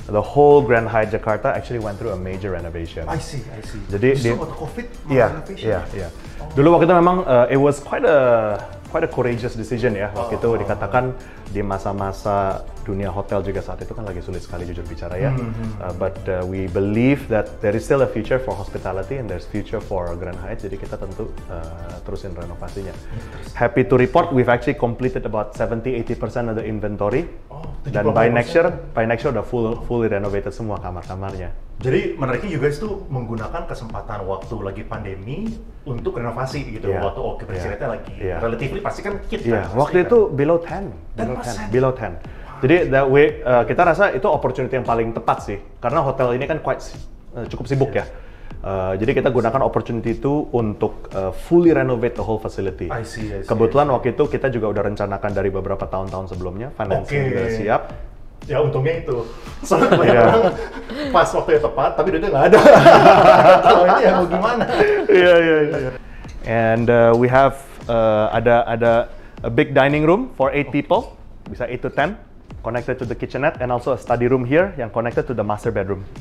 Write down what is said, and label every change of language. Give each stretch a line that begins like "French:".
English: The whole Grand Hyatt Jakarta actually went through a major renovation. I see.
Indonesian: Jadi so, waktu COVID,
English: yeah, yeah, renovation. Yeah. Oh. Dulu waktu itu memang it was quite a courageous decision ya.
Indonesian: Waktu itu dikatakan di masa-masa dunia hotel juga saat itu kan lagi sulit sekali jujur bicara ya. Mm-hmm.
English: But we believe that there is still a future for hospitality and there's future for Grand Hyatt. Jadi kita tentu terusin renovasinya. Happy to report we've actually completed about 70-80% of the inventory. Oh, dan by next year udah fully renovated semua kamar-kamarnya.
Indonesian: Jadi menariknya you guys tuh menggunakan kesempatan waktu lagi pandemi untuk renovasi gitu yeah. Waktu occupancy rate-nya lagi yeah. Relatively pasti kan kit yeah. Kan?
English: Waktu itu below 10. Below 10. Wow.
Indonesian: Jadi that way kita rasa itu opportunity yang paling tepat sih karena hotel ini kan cukup sibuk yeah. Ya. Jadi kita gunakan opportunity itu untuk fully renovate the whole facility.
English: I see.
Indonesian: Kebetulan waktu itu kita juga udah rencanakan dari beberapa tahun-tahun sebelumnya, financing juga siap. Ya untungnya itu. Soalnya yeah. Pas waktu yang tepat, tapi duitnya nggak ada. Kalau ini ya mau gimana? Iya.
English: And we have ada a big dining room for 8 people, bisa 8 to 10. Connected to the kitchenette and also a study room here yang connected to the master bedroom.